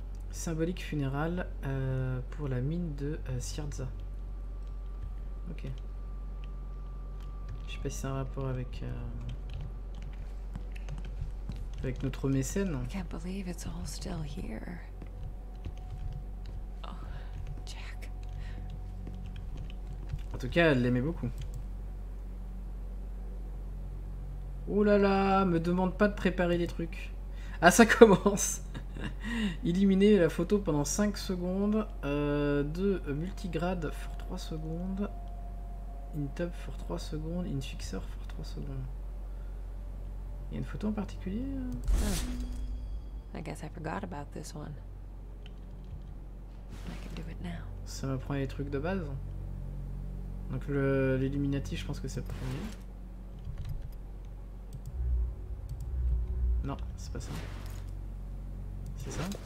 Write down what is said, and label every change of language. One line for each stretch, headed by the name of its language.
French: Symbolique funérail pour la mine de Sierdza. Ok. Je sais pas si c'est un rapport avec avec notre mécène.
English: I can't believe it's all still here. Oh, Jack.
French: En tout cas, elle l'aimait beaucoup. Oh là là, me demande pas de préparer les trucs. Ah, ça commence. Éliminer la photo pendant 5 secondes. 2 multigrade pour 3 secondes. Une tub pour 3 secondes, une fixeur pour 3 secondes. Il y a une photo en particulier?
English: Oh. I guess I forgot about this one. I can do it now.
French: Ça m'apprend les trucs de base. Donc l'Illuminati, je pense que c'est le premier. Non, c'est pas ça. C'est ça?